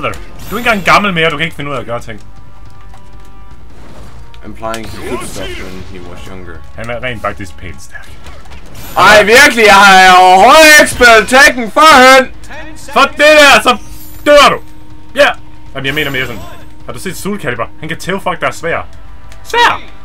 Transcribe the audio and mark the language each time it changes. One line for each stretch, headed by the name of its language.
Danish: Du er ikke engang gammel mere, du kan ikke finde ud af at gøre ting.
English: Implying he could stop when he was younger.
Danish: Han er rent faktisk pænt stærk. Ej, virkelig, jeg har overhovedet ikke spillet Tekken førhen! For det der, så dør du! Ja! Yeah. Jamen, jeg mener mere sådan. Har du set Soul Calibur? Han kan tæve folk, der er svære. Svær!